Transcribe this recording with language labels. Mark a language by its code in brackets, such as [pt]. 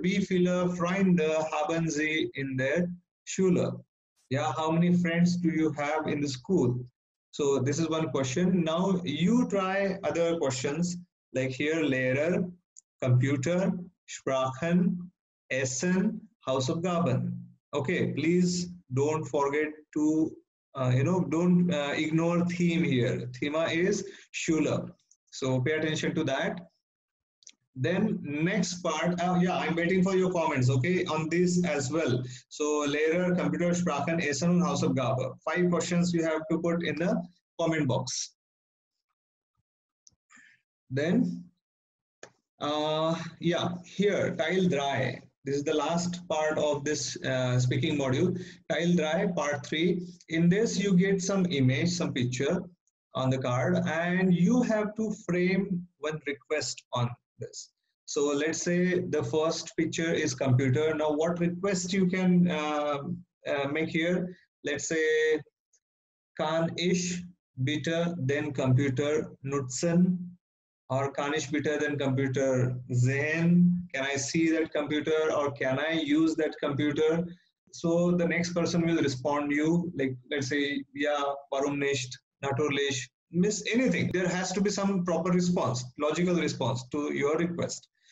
[de] Wie viele Freunde haben Sie in der Schule? [en] Yeah, how many friends do you have in the school? So, this is one question. Now, you try other questions like here, Lehrer, Computer, Sprachen, Essen, Hausaufgaben. Okay, please don't forget to, don't ignore theme here. Thema is Schule. So, pay attention to that. Then next part, I'm waiting for your comments, okay, on this as well. So Lehrer, Computer, Sprachen, Essen und Hausaufgabe. Five questions you have to put in the comment box. Then, here, Teil 3. This is the last part of this speaking module. Teil 3, part 3. In this, you get some image, some picture on the card, and you have to frame one request on this. So let's say the first picture is computer. Now what request you can make here? Let's say, [de] kann ich bitte den Computer nutzen? Or kann ich bitte den Computer sehen? [en] Can I see that computer, or can I use that computer? So the next person will respond you, like, let's say, [de] ja, warum nicht, natürlich, [en] miss anything. There has to be some proper response, logical response to your request.